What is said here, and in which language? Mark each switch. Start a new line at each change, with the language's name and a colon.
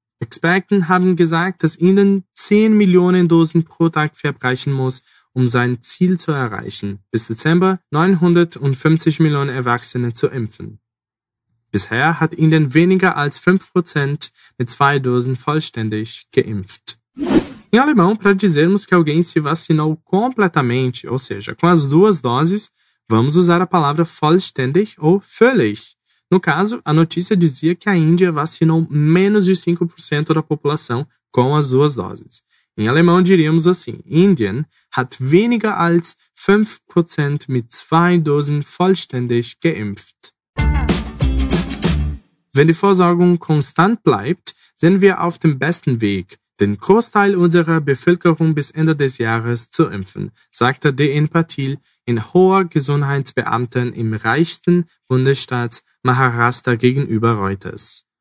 German: Experten haben gesagt, dass ihnen 10 Millionen Dosen pro Tag verbrechen muss, um sein Ziel zu erreichen, bis Dezember 950 Millionen Erwachsene zu impfen. Bisher hat ihnen weniger als 5% mit 2 Dosen vollständig geimpft.
Portuguese: Em alemão, para dizermos que alguém se vacinou completamente, ou seja, com as duas doses, vamos usar a palavra vollständig ou völlig. No caso, a notícia dizia que a Índia vacinou menos de 5% da população com as duas doses. Em alemão, diríamos assim,
German: Indien hat weniger als 5% mit 2 Dosen vollständig geimpft. Wenn die Versorgung konstant bleibt, sind wir auf dem besten Weg, den Großteil unserer Bevölkerung bis Ende des Jahres zu impfen, sagte DN Patil, ein hoher Gesundheitsbeamter im reichsten Bundesstaat Maharashtra gegenüber Reuters.